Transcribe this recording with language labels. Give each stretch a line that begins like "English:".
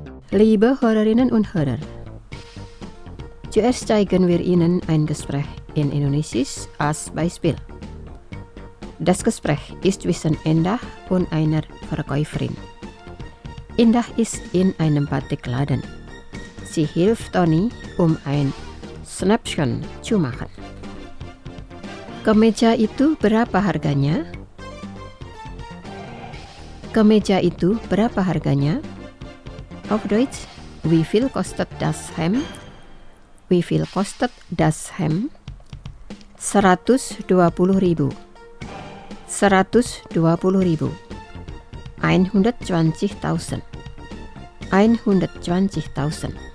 German: Liebe Hörerinnen und Hörer, zuerst zeigen wir Ihnen ein Gespräch in Indonesisch als Beispiel. Das Gespräch ist zwischen Indah und einer Verkäuferin. Indah ist in einem Batikladen. Sie hilft Tony, ein Schnäppchen zu machen.
Indonesian: Kemeja itu berapa harganya? Kemeja itu berapa harganya?
German: Auf Deutsch, wie viel kostet das Hemd? Wie viel kostet das Hemd?
Indonesian: 120.000. 120.000. 120.000. 120.000.